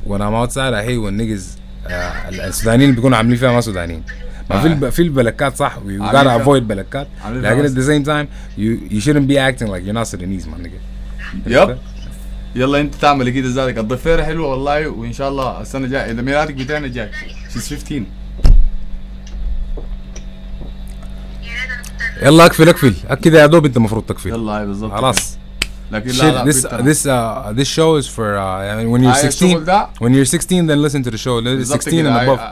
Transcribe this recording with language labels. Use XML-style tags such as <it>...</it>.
<en>When I'm outside, I hate when niggas</en> <ar>السودانيين بيكونوا عاملين فيها ما سودانيين. ما في البلكات صح.</ar> <en>We gotta avoid</en> <ar>بلكات.</ar> <en>لكن at the same time, you shouldn't be acting like you're not Sudanese, my nigga.</en> <ar>Yep. يلا انت تعمل كده زادك الضفيره حلوه والله وان شاء الله السنه الجايه اذا ميلادك بتاعنا جاي</ar> <en>she's 15</en> <ar>يلا اكفل اكفل اكيد يا دوب انت المفروض تكفل يلا هاي بالضبط خلاص لكن</ar> <en>shit, this show is for when you're 16 when you're 16 then listen to the show 16 and above</en>